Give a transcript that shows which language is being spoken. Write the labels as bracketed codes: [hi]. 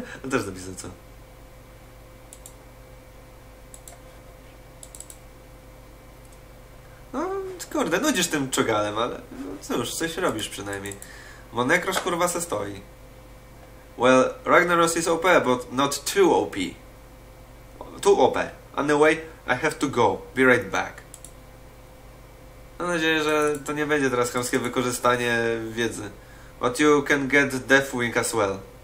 [pl] Też napisze co. No, kurde, nudzisz tym czogalem, ale no cóż, coś robisz przynajmniej. Bo Necrosz kurwa se stoi. [en] Well, Ragnaros is OP, but not too OP. Too OP. Anyway, I have to go. Be right back. [pl] Mam nadzieję, że to nie będzie teraz chamskie wykorzystanie wiedzy. [en] But you can get Deathwing as well.